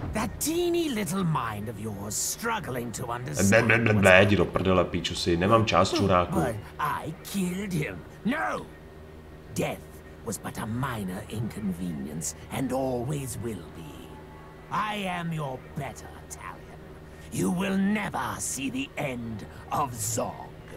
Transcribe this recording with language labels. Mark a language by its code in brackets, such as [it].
[en] That teeny little mind of yours struggling to understand. [cs] Ne, jdi do prdele, píču si, nemám čas, čuráku. [en] I killed him. No. Death was but a minor inconvenience and always will be. I am your better Italian. You will never see the end of Zog.